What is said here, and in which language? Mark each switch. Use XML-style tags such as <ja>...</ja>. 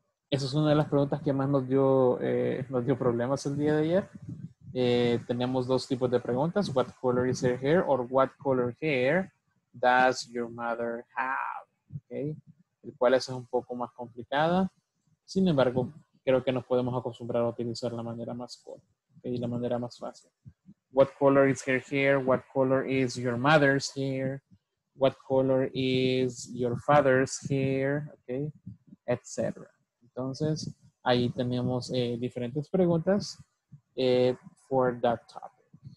<es>Esa es una de las preguntas que más nos dio problemas el día de ayer. Tenemos dos tipos de preguntas.</es> <en>What color is her hair? Or what color hair does your mother have?</en> <es>Okay. El cual es un poco más complicada. Sin embargo, creo que nos podemos acostumbrar a utilizar la manera más corta y la manera más fácil.</es> <en>What color is her hair? What color is your mother's hair? What color is your father's hair?</en> <es>Okay, etc. Entonces, ahí tenemos diferentes preguntas</es> <en>for that topic.</en>